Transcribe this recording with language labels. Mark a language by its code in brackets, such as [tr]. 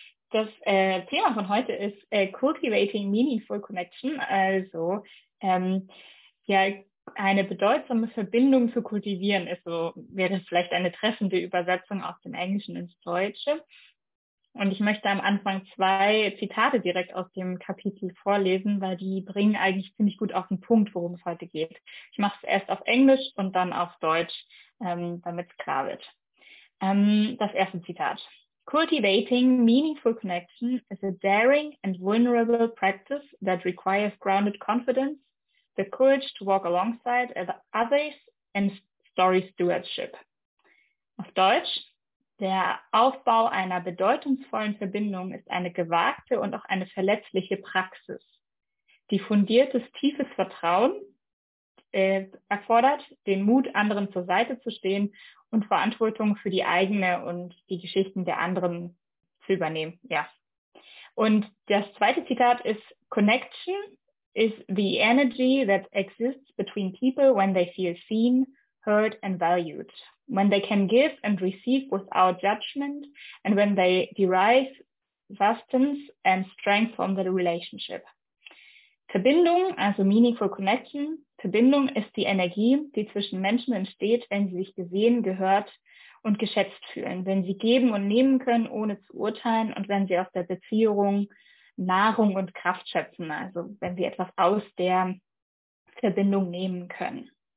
[de] Das Thema von heute ist [en] Cultivating Meaningful Connection, [de] also eine bedeutsame Verbindung zu kultivieren, wäre vielleicht eine treffende Übersetzung aus dem Englischen ins Deutsche. Und ich möchte am Anfang zwei Zitate direkt aus dem Kapitel vorlesen, weil die bringen eigentlich ziemlich gut auf den Punkt, worum es heute geht. Ich mache es erst auf Englisch und dann auf Deutsch, damit es klar wird. Das erste Zitat. [en] Cultivating meaningful connection is a daring and vulnerable practice that requires grounded confidence, the courage to walk alongside others and story stewardship. [de] Auf Deutsch, der Aufbau einer bedeutungsvollen Verbindung ist eine gewagte und auch eine verletzliche Praxis, die fundiertes tiefes Vertrauen erfordert, den Mut, anderen zur Seite zu stehen und Verantwortung für die eigene und die Geschichten der anderen zu übernehmen. Ja. Und das zweite Zitat ist, [en] Connection is the energy that exists between people when they feel seen, heard and valued. When they can give and receive without judgment and when they derive substance and strength from the relationship. [de] Verbindung, also [en] meaningful connection, [de] Verbindung ist die Energie, die zwischen Menschen entsteht, wenn sie sich gesehen, gehört und geschätzt fühlen, wenn sie geben und nehmen können, ohne zu urteilen und wenn sie aus der Beziehung Nahrung und Kraft schöpfen, also wenn sie etwas aus der Verbindung nehmen können.